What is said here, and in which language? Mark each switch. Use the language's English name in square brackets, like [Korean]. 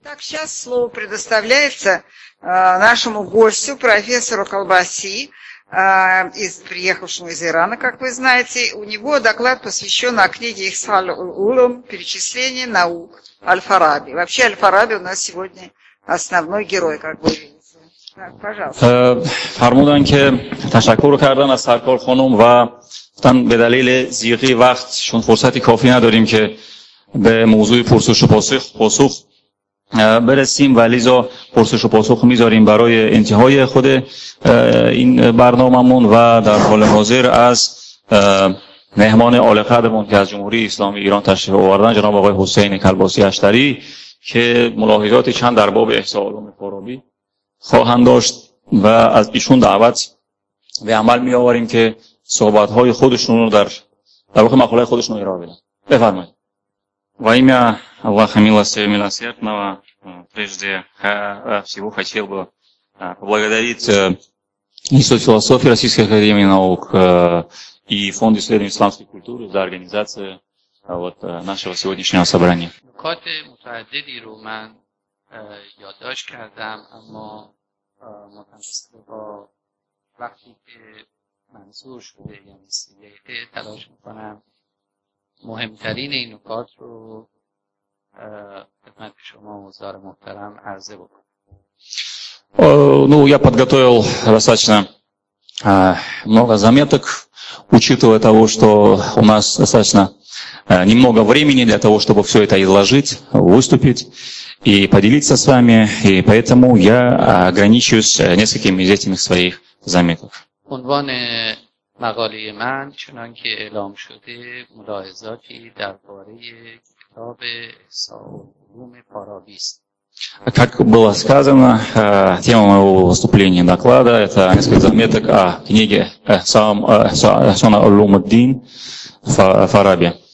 [Russian] Так, сейчас слово предоставляется нашему гостю, профессору Колбаси, приехавшему из Ирана, как вы знаете. У него доклад посвящен книге «Ихсал-Улум. Перечисление наук» Аль-Фараби. Вообще Аль-Фараби у нас сегодня основной герой, как вы видите. [Persian] فرمودن که تشکر کردن از سرکار خانم و گفتن به دلیل زیادی وقت چون فرصتی کافی نداریم که به موضوع پرسش و پاسخ برسیم و لذا پرسش و پاسخ میذاریم برای انتهای خود این برنامه‌مون و در حال حاضر از مهمان آل قدرمون که از جمهوری اسلامی ایران تشریف آوردن جناب آقای حسین کلباسی اشتری که ملاحظات چند در باب احسان و فرابی خواهند داشت و از ایشون دعوت به عمل می آوریم که صحبت های خودشون رو در واقع مقاله خودشون رو ارائه بدن. بفرمایید. و ایم یا الله [Russian] милостив и милосердного прежде всего хотел бы поблагодарить Институт философии Российской академии наук и фонд исследований исламской культуры за организацию нашего сегодняшнего собрания. [Persian] Коте мутаддиди ру ман یادداشت کردم اما متأسفانه با وقتی که منظور شده یعنی سیلیه تلاش میکنم مهمترین این نکات رو خدمت شما حضار محترم عرضه بکنم. [Russian] Я подготовил достаточно много заметок, учитывая того, что у нас достаточно немного времени для того, чтобы все это изложить, выступить и поделиться с вами, и поэтому я ограничусь несколькими из этих своих заметок. [Persian] عنوان مقاله من چنانکه اعلام شده ملاحظاتی درباره کتاب سالوم فارابی است. [Russian] Как было сказано, тема моего выступления доклада – это несколько заметок о книге «Ихсан аль-Улум-ад-Дин» Фараби.